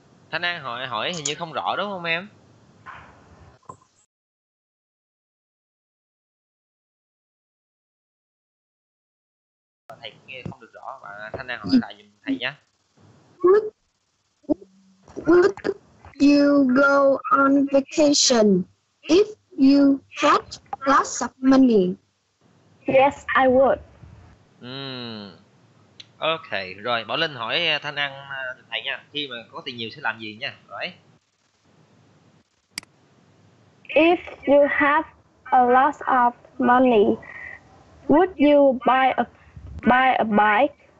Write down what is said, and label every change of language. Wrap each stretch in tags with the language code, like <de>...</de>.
<vi>Thanh An hỏi hỏi hình như không rõ đúng không em? Thầy nghe không được rõ, và Thanh An hỏi lại giùm thầy nhé.</vi> <en>Would you go on vacation if you had lots of money? Yes, I would.</en> <vi>Ok, rồi Bảo Linh hỏi Thanh An thầy nha, khi mà có tiền nhiều sẽ làm gì nha, rồi.</vi> <en>If you have a lot of money, would you buy a bike?</en>